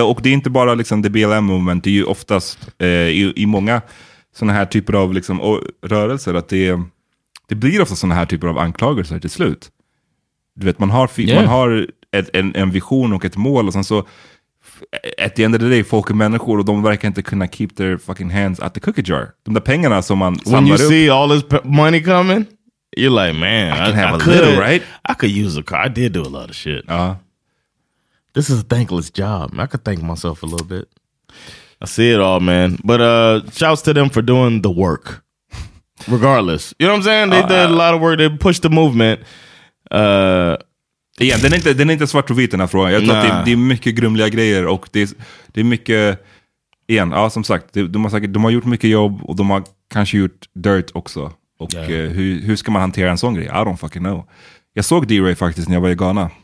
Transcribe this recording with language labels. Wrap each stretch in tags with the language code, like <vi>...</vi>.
<sv>Och det är inte bara liksom det BLM-moment. Det är ju oftast i många såna här typer av liksom, rörelser att det blir ofta såna här typer av anklagelser till slut. Du vet, man har en vision och ett mål. Och sen så</sv> <en>at the end of the day,</en> <sv>folk är människor och de verkar inte kunna</sv> <en>keep their fucking hands at the cookie jar.</en> <sv>De där pengarna som man</sv> <en>when</en> <sv>samlar</sv> <en>you</en> <sv>upp.</sv> <en>See all this money coming, you're like, man, I could have a little, right? I could use a car. I did do a lot of shit. This is a thankless job. I could thank myself a little bit. I see it all, man. But shouts to them for doing the work. Regardless. You know what I'm saying? They did a lot of work. They pushed the movement.</en> <sv>Igen, den är inte svart och vit den här frågan. Jag tror att det är mycket grumliga grejer. Och det är mycket... Igen, ja, som sagt. De har gjort mycket jobb. Och de har kanske gjort dirt också. Och hur ska man hantera en sån grej?</sv> <en>I don't fucking know.</en> <sv>Jag såg D-Ray faktiskt när jag var i Ghana.</sv>